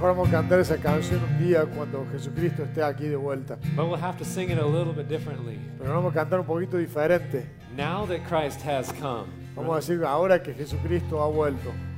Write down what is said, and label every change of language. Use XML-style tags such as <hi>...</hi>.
<es>Cantar esa canción un día cuando Jesucristo esté aquí de vuelta.</es> <en>But we'll have to sing it a little bit differently.</en> <es>Pero vamos a cantar un poquito diferente.</es> <en>Now that Christ has come.</en> <es>Vamos a decir ahora que Jesucristo ha vuelto.</es>